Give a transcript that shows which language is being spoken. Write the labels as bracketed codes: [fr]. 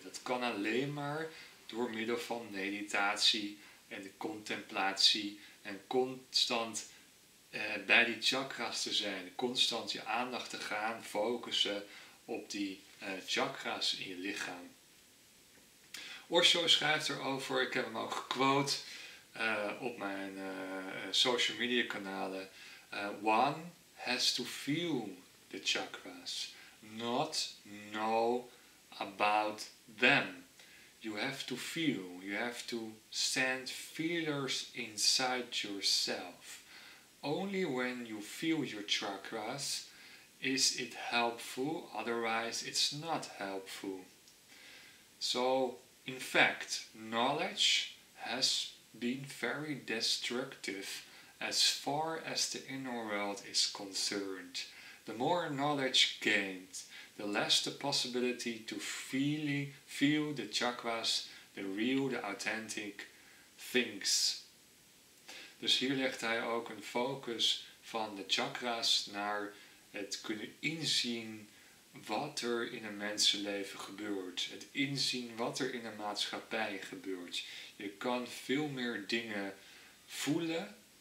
[nl] Dat kan alleen maar door middel van meditatie en de contemplatie en constant bij die chakras te zijn. Constant je aandacht te gaan focussen op die chakras in je lichaam. Osho schrijft erover, ik heb hem ook gequote op mijn social media kanalen. [en] One has to feel the chakras, not know about them. You have to feel, you have to send feelers inside yourself. Only when you feel your chakras is it helpful, otherwise it's not helpful. So, in fact, knowledge has been very destructive as far as the inner world is concerned. The more knowledge gained, the less the possibility to feel the chakras, the real, the authentic things. [nl] Dus hier legt hij ook een focus van de chakras naar het kunnen inzien wat er in een mensenleven gebeurt. Het inzien wat er in een maatschappij gebeurt. Je kan veel meer dingen voelen.